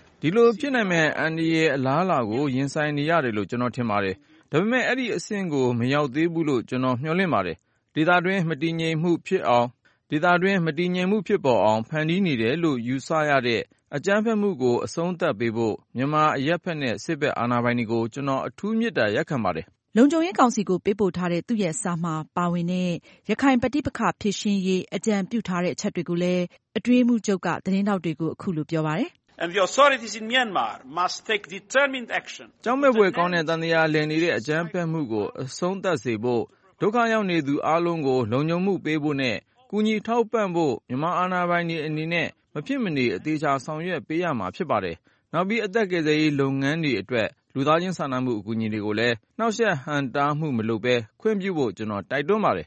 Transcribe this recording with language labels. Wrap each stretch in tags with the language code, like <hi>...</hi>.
<my>ဒီလိုဖြစ်နိုင်မဲ့အန်ဒီရဲ့အလားအလာကိုရင်ဆိုင်နေရတယ်လို့ကျွန်တော်ထင်ပါတယ်ဒါပေမဲ့အဲ့ဒီအဆင့်ကိုမရောက်သေးဘူးလို့ကျွန်တော်မျှော်လင့်ပါတယ်ဒေသတွင်းမတည်ငြိမ်မှုဖြစ်အောင်ဒေသတွင်းမတည်ငြိမ်မှုဖြစ်ပေါ်အောင်ဖန်တီးနေတယ်လို့ယူဆရတဲ့အကြမ်းဖက်မှုကိုအဆုံးသတ်ပေးဖို့မြန်မာအရက်ဖက်နဲ့စစ်ဘက်အာဏာပိုင်တွေကိုကျွန်တော်အထူးမြတ်တာရက်ခံပါတယ်လုံခြုံရေးကောင်စီကိုပေးပို့ထားတဲ့သူ့ရဲ့စာမှာပါဝင်တဲ့ရခိုင်ပဋိပက္ခဖြစ်ရှင်ရေးအကြံပြုထားတဲ့အချက်တွေကိုလည်းအတွေ့အမှုချုပ်ကသတင်းထောက်တွေကိုအခုလိုပြောပါတယ်</my> <en>And the authorities in Myanmar must take determined action</en> <my>ကျောင်းမဲ့ဘွေကောင်းတဲ့တန်တရားလည်နေတဲ့အကြမ်းဖက်မှုကိုအဆုံးသတ်စေဖို့ဒုက္ခရောက်နေသူအလုံးကိုလုံခြုံမှုပေးဖို့နဲ့ကူညီထောက်ပံ့ဖို့မြန်မာအာဏာပိုင်တွေအနေနဲ့မဖြစ်မနေအသေးစားဆောင်ရွက်ပေးရမှာဖြစ်ပါတယ်။နောက်ပြီးအသက်ကယ်ဆယ်ရေးလုပ်ငန်းတွေအတွက်လူသားချင်းစာနာမှုအကူအညီတွေကိုလည်းနှောက်ယှက်ဟန်တားမှုမလုပ်ဘဲခွင့်ပြုဖို့ကျွန်တော်တိုက်တွန်းပါတယ်</my>